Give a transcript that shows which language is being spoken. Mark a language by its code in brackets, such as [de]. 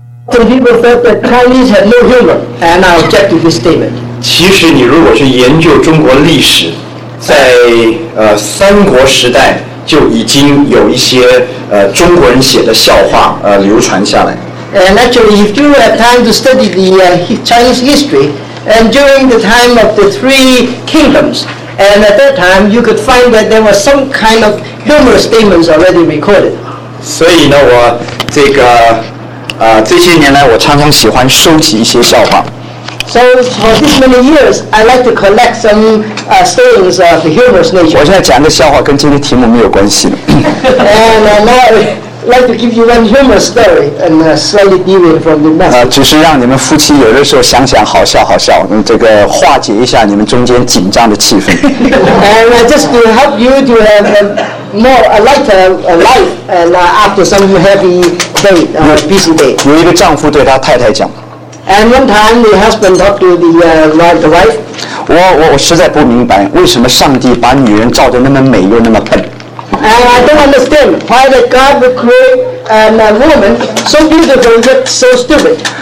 [en] Some people thought that Chinese had no humor, and I object to this statement. [zh] 其实你如果去研究中国历史，在三国时代就已经有一些中国人写的笑话流传下来。 [en] And actually, if you have time to study the Chinese history, and during the time of the Three Kingdoms, and at that time, you could find that there were some kind of humorous statements already recorded. [zh] 所以呢，我这个这些年来，我常常喜欢收集一些笑话。 [en] So for these many years, I like to collect some stories of humorous nature. [zh] 我现在讲的笑话跟今天题目没有关系了。 [en] And now I'd like to give you one humorous story and slightly deviate from the message. [zh] 只是让你们夫妻有的时候想想好笑好笑，这个化解一下你们中间紧张的气氛。 [en] And just to help you to have more a lighter life and after some heavy day, busy day. [zh] 有一个丈夫对他太太讲。 [en] And one time, the husband talked to the wife. [zh] 我实在不明白为什么上帝把女人造得那么美又那么笨。 [en] And I don't understand why that God would create a woman so beautiful yet so stupid.